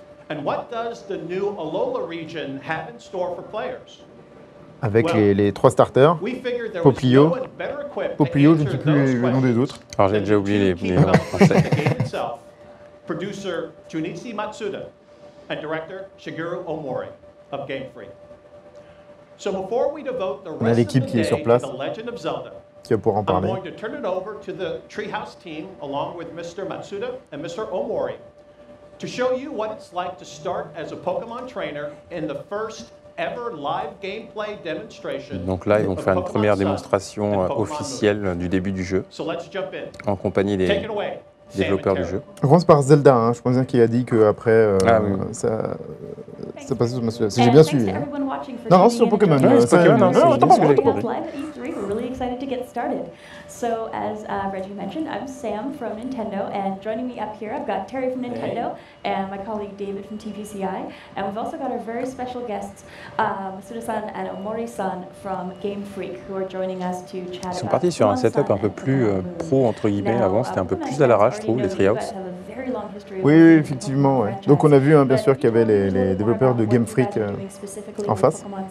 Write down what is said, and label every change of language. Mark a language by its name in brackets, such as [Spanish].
[English] And what does the new Alola region have in store for players? [French] Avec les trois starters, Popplio, Popplio, je ne sais plus le nom des autres. Alors j'ai déjà oublié les noms français. [English] Producer Junichi Matsuda and director Shigeru Omori of Game Freak. So before we devote the rest of the day to the Legend of Zelda, [French] qui va pouvoir en parler. [English] I'm going to turn it over to the Treehouse team along with Mr. Matsuda and Mr. Omori to show you what it's like to start as a Pokémon trainer in the first ever live gameplay demonstration. [French] Donc là, ils vont faire une première démonstration officielle du début du jeu, en compagnie des développeurs du jeu. On commence par Zelda, hein. Je pense bien qu'il a dit qu'après, ça passait sur ma souris. J'ai bien suivi. Non, non, c'est sur Pokémon. Non, c'est Pokémon. Non, c'est Pokémon. [English] Live at E3, we're really excited to get started. So, as Reggie mentioned, I'm Sam from Nintendo, and joining me up here, I've got Terry from Nintendo, and my colleague David from TPCI, and we've also got our very special guests, Masuda-san and Omori-san from Game Freak, who are joining us to chat about. [French] Ils sont partis sur un setup un peu plus pro, entre guillemets. Avant, c'était un peu plus à l'arrache, je trouve, les Treehouse. Oui, oui, effectivement. Ouais. Donc, on a vu, hein, bien sûr, qu'il y avait les développeurs de Game Freak en face.